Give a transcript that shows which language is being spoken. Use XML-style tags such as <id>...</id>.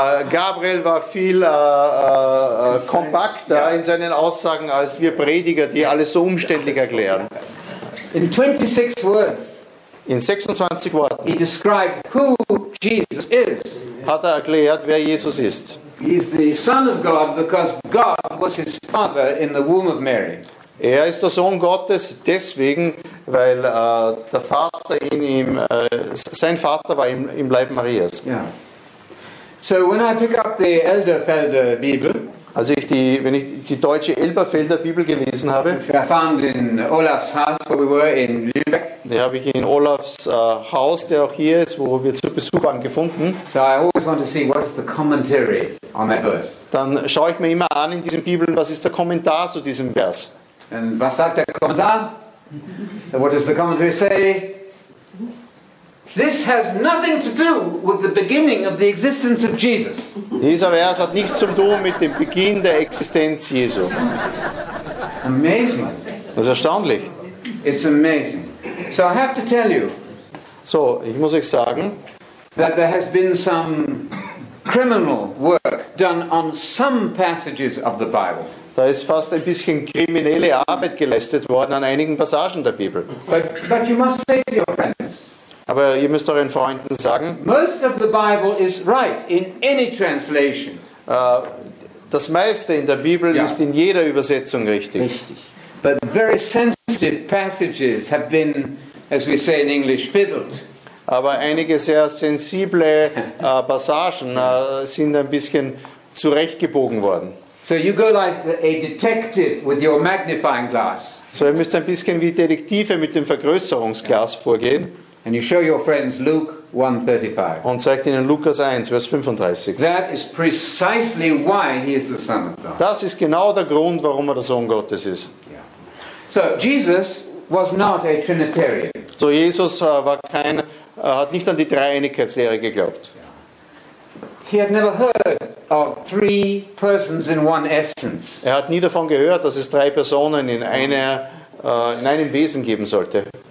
<de>Gabriel war viel kompakter in seinen Aussagen als wir Prediger, die alles so umständlich erklären.</de> <en>In 26 words.</en> <de>In 26 Worten.</de> <en>He described who Jesus is.</en> <de>Hat er erklärt, wer Jesus ist.</de> <en>He is the Son of God because God was his father in the womb of Mary.</en> <de>Er ist der Sohn Gottes deswegen, weil der Vater in ihm, sein Vater war im Leib Marias.</de> <en>So when I pick up the Elberfelder Bibel,</en> <de>also wenn ich die deutsche Elberfelder Bibel gelesen habe,</de> <en>I found in Olaf's house where we were in Lübeck.</en> <de>Die habe ich in Olafs Haus, der auch hier ist, wo wir zu Besuch waren, gefunden.</de> <en>So I always want to see what is the commentary on that verse.</en> <de>Dann schaue ich mir immer an in diesen Bibeln, was ist der Kommentar zu diesem Vers? And was sagt der Kommentar?</de> <en>What does the commentary say? This has nothing to do with the beginning of the existence of Jesus.</en> <de>Dieser Vers hat nichts zu tun mit dem Beginn der Existenz Jesu.</de> <en>Amazing.</en> <de>Das ist erstaunlich.</de> <en>It's amazing. So I have to tell you.</en> <de>So, ich muss euch sagen,</de> <en>that there has been some criminal work done on some passages of the Bible.</en> <de>Da ist fast ein bisschen kriminelle Arbeit geleistet worden an einigen Passagen der Bibel.</de> <en>But you must say to your friends,</en> <de>aber ihr müsst euren Freunden sagen,</de> <en>most of the Bible is right in any translation.</en> <de>Das meiste in der Bibel ist in jeder Übersetzung richtig.</de> <en>But very sensitive passages have been, as we say in English, fiddled.</en> <de>Aber einige sehr sensible Passagen sind ein bisschen zurechtgebogen worden.</de> <en>So you go like a detective with your magnifying glass.</en> <de>So ihr müsst ein bisschen wie Detektive mit dem Vergrößerungsglas vorgehen.</de> <en>And you show your friends Luke 1:35.</en> <de>Und zeigt ihnen Lukas 1, Vers 35.</de> <en>That is precisely why he is the Son of God.</en> <de>Das ist genau der Grund, warum der Sohn Gottes ist. Yeah.</de> <en>So Jesus was not a Trinitarian.</en> <de>So Jesus war kein, hat nicht an die Dreieinigkeitslehre geglaubt.</de> <en>He had never heard of three persons in one essence.</en> <de>Er hat nie davon gehört, dass es drei Personen in einer in einem Wesen geben sollte.</de>